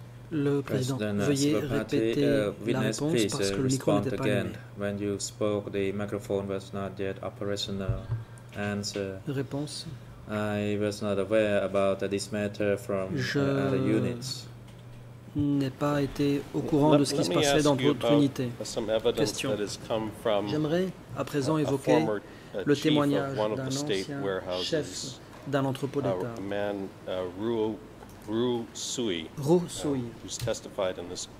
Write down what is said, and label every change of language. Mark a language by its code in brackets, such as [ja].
[fr] Le président, veuillez répéter la réponse parce que le micro n'était pas allumé. [en] When you spoke, the microphone was not yet operational. Answer. [fr] Réponse. [en] I was not aware about this matter from other units. [fr] Je n'ai pas été au courant de ce qui se passait dans votre unité. Question. J'aimerais à présent évoquer le témoignage d'un ancien chef d'un entrepôt d'État. [en] Ru Sui, who's testified in this